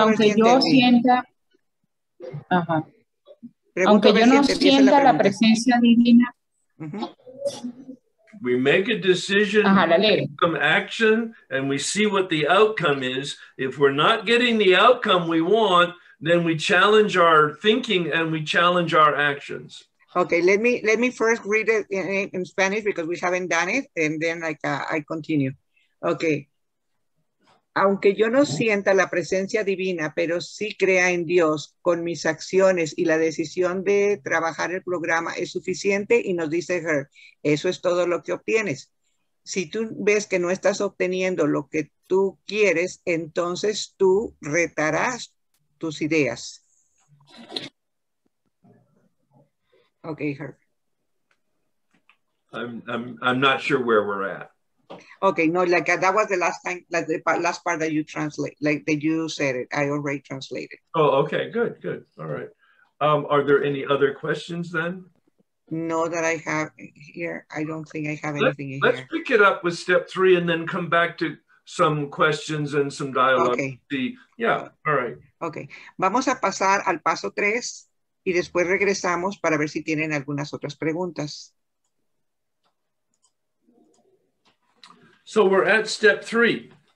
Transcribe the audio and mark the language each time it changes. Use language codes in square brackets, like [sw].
[es] aunque yo sienta, aunque yo no sienta la presencia divina, [en] we make a decision, some action, and we see what the outcome is. If we're not getting the outcome we want, then we challenge our thinking and we challenge our actions. Okay, let me first read it in Spanish because we haven't done it, and then I continue. Okay. [es] Aunque yo no sienta la presencia divina, pero sí crea en Dios con mis acciones y la decisión de trabajar el programa es suficiente, y nos dice Her, eso es todo lo que obtienes. Si tú ves que no estás obteniendo lo que tú quieres, entonces tú retarás tus ideas. [en] Okay, Her. I'm not sure where we're at. Okay, no, like that was the last time, like the last part that you translate, like that you said it, I already translated. Oh, okay, good. All right. Are there any other questions then? No, that I have here. I don't think I have anything here. Let's pick it up with step three and then come back to some questions and some dialogue. Okay. Yeah, all right. [es] Okay, vamos a pasar al paso tres y después regresamos para ver si tienen algunas otras preguntas. [en] So we're at step three.